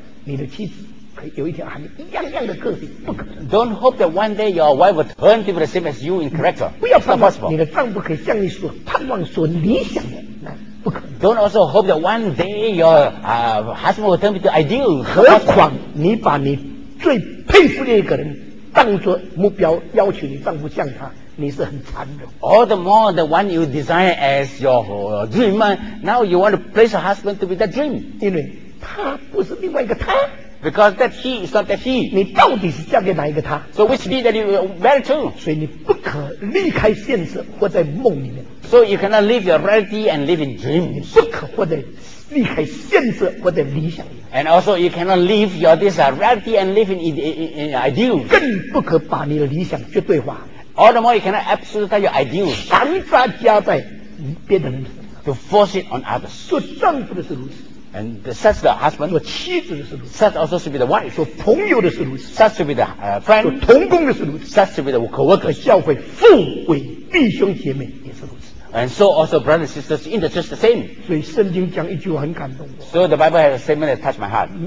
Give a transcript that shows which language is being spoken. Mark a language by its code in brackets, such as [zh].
[zh] 你的妻子可以有一天和你一样样的个性，不可能。 [en] Don't hope that one day your wife will turn to be the same as you in character. [zh] 不要盼望你的丈夫可以像你所盼望、所理想的，那不可能。 [en] Don't also hope that one day your husband will turn to be the ideal. [zh] 何况你把你最佩服的一个人当作目标，要求你丈夫像他。你是很残忍。 [en] All the more the one you design as your dream, now you want to place your husband to be that dream. [zh] 因为他不是另外一个他。 [en] Because that he is not that he. [zh] 你到底是嫁给哪一个他 [en] ？So which he that you married to? [zh] 所以你不可离开现实，活在梦里面。 [en] So you cannot leave your reality and live in dreams. [zh] 你不可活在离开现实，活在理想里面。 [en] And also you cannot leave your this reality and live in ideals. [zh] 更不可把你的理想绝对化。 [en] All the more you cannot absolutize your ideals. [zh] 强加加在别人身上。 [en] To force it on others. [zh] 做丈夫的是如此。 [en] And such the husband, [zh] 做妻子的是如此。 [en] Such also should be the wife. [zh] 做朋友的是如此。 [en] Such should be the friend. [zh] 做同工的是如此。 [en] Such should be the co-worker. [zh] 教会父为弟兄姐妹也是如此。 [en] And so also brothers and sisters in the church the same. [zh] 所以圣经讲一句很感动我。 [en] So the Bible has a statement that touched my heart.